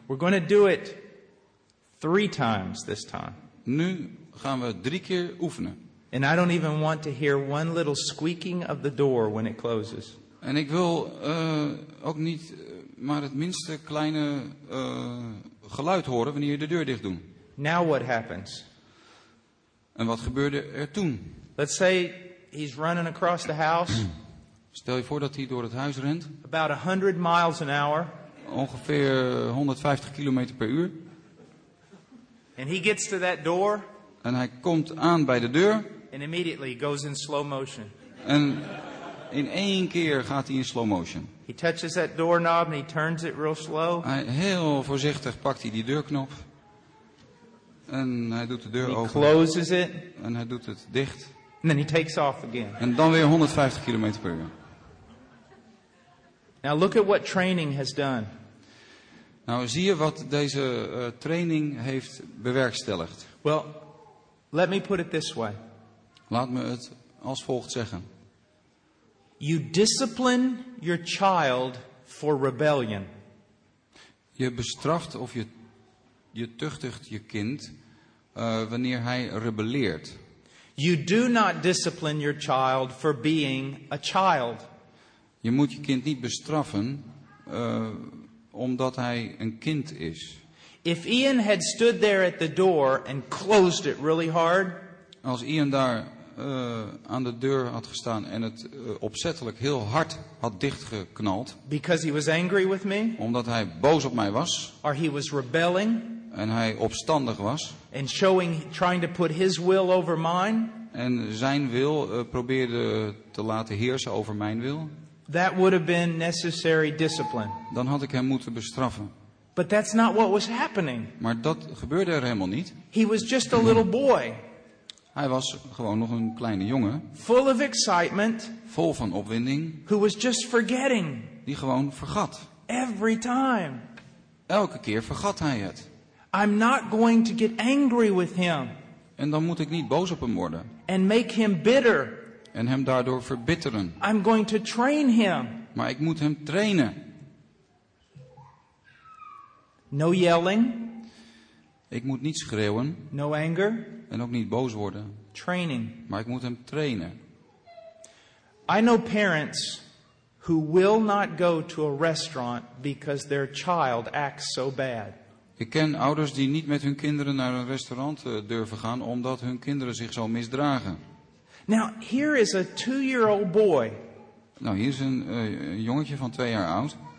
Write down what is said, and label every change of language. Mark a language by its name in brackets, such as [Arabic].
[English] We're going to do it 3 times this time. [Dutch] Nu gaan we 3 keer oefenen. [English] And I don't even want to hear one little squeaking of the door when it closes. [Dutch] En ik wil ook niet maar het minste kleine geluid horen wanneer je de deur dicht doet. [English] Now what happens? [Dutch] En wat gebeurde er toen? [English] Let's say he's running across the house. [Dutch] Stel je voor dat hij door het huis rent. [English] About 100 miles an hour. [Dutch] Ongeveer 150 kilometer per uur. [English] And he gets to that door. [Dutch] En hij komt aan bij de deur. [English] And immediately goes in slow motion. [Dutch] En in één keer gaat hij in slow motion. [English] He touches that doorknob and he turns it real slow. [Dutch] Hij heel voorzichtig pakt hij die deurknop. En hij doet de deur [English] he [Dutch] open. [English] He closes it. [Dutch] En hij doet het dicht. [English] And then he takes off again. [Dutch] En dan weer 150 kilometer per uur. [English] Now look at what training has done. [Dutch] Nou zie je wat deze training heeft bewerkstelligd. [English] Well, let me put it this way. [Dutch] Laat me het als volgt zeggen. [English] You discipline your child for rebellion. [Dutch] Je bestraft of je tuchtigt je kind wanneer hij rebelleert. [English] You do not discipline your child for being a child. [Dutch] Je moet je kind niet bestraffen omdat hij een kind is. [English] If Ian had stood there at the door and closed it really hard. [Dutch] Als Ian daar aan de deur had gestaan en het opzettelijk heel hard had dichtgeknald. [English] Because he was angry with me. [Dutch] Omdat hij boos op mij was. [English] Or he was rebelling. [Dutch] En hij opstandig was. [English] And showing, trying to put his will over mine. [Dutch] En zijn wil probeerde te laten heersen over mijn wil. [English] That would have been necessary discipline. [Dutch] Dan had ik hem moeten bestraffen. [English] But that's not what was happening. [Dutch] Maar dat gebeurde er helemaal niet. [English] He was just a little boy. [Dutch] Hij was gewoon nog een kleine jongen. [English] Full of excitement. [Dutch] Vol van opwinding. [English] Who was just forgetting. [Dutch] Die gewoon vergat. [English] Every time. [Dutch] Elke keer vergat hij het. [English] I'm not going to get angry with him. [Dutch] En dan moet ik niet boos op hem worden. [English] And make him bitter. [Dutch] En hem daardoor verbitteren. [English] I'm going to train him. [Dutch] Maar ik moet hem trainen. [English] No yelling. [Dutch] Ik moet niet schreeuwen. [English] No anger. [Dutch] En ook niet boos worden. [English] Training. [Dutch] Maar ik moet hem trainen. [English] I know parents who will not go to a restaurant because their child acts so bad. [Dutch] Ik ken ouders die niet met hun kinderen naar een restaurant durven gaan omdat hun kinderen zich zo misdragen. [English] Now, here is a 2-year-old boy. [Dutch] Nou, hier is een jongetje van 2 jaar oud.